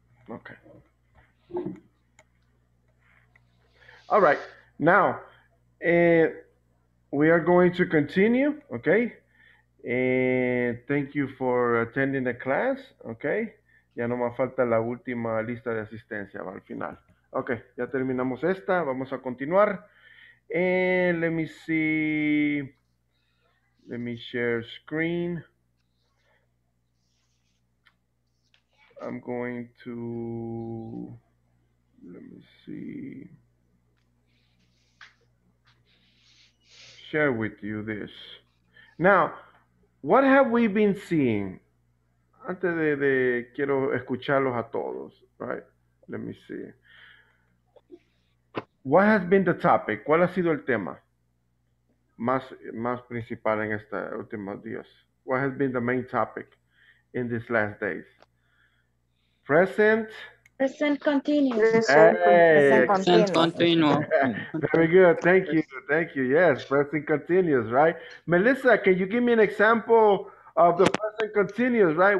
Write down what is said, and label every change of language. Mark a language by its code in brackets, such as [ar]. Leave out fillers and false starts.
[en] Okay. All right. Now, we are going to continue, okay? And thank you for attending the class, okay? [es] Ya no me falta la última lista de asistencia al final. [en] Okay, [es] ya terminamos esta, vamos a continuar. [en] And let me see, let me share screen. I'm going to, let me see, share with you this. Now, what have we been seeing? [es] Antes de quiero escucharlos a todos, [en] right? Let me see. What has been the topic? [es] ¿Cuál ha sido el tema más principal en esta últimos días? [en] What has been the main topic in these last days? Present. Present continuous. Present continuous. Very good. Thank you. Thank you. Yes, present continuous, right? Melissa, can you give me an example of the present continuous, right?